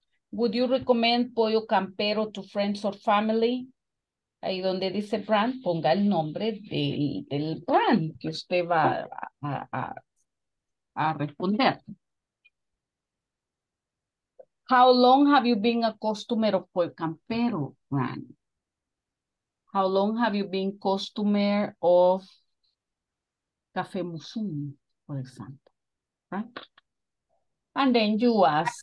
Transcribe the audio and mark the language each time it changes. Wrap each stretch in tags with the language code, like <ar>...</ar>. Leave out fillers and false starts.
<en>Would you recommend Pollo Campero to friends or family?</en> <es>Ahí donde dice brand, ponga el nombre del brand que usted va a responder.</es> <en>How long have you been a customer of Pollo Campero brand? How long have you been customer of Café Musum, for example? Right? And then you ask,</en>